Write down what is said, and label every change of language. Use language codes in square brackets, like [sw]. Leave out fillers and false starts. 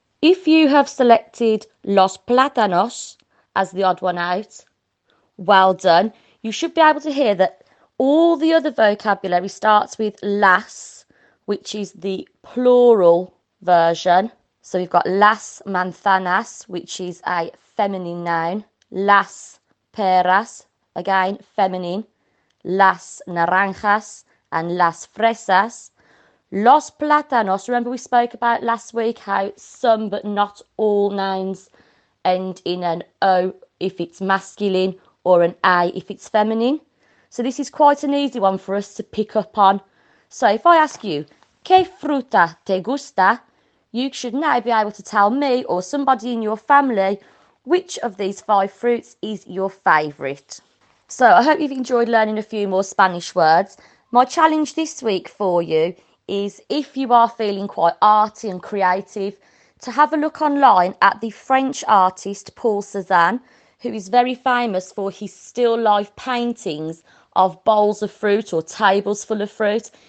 [en] If you have selected los plátanos as the odd one out, well done. You should be able to hear that all the other vocabulary starts with las, which is the plural version. So we've got las manzanas, which is a feminine noun. Las peras, again, feminine. Las naranjas and las fresas. Los plátanos, remember we spoke about last week how some but not all nouns end in an O if it's masculine or an A if it's feminine. So this is quite an easy one for us to pick up on. So if I ask you, [es] ¿qué fruta te gusta? [en] You should now be able to tell me or somebody in your family which of these five fruits is your favourite. So I hope you've enjoyed learning a few more Spanish words. My challenge this week for you is if you are feeling quite arty and creative, to have a look online at the French artist Paul Cézanne, who is very famous for his still life paintings of bowls of fruit or tables full of fruit.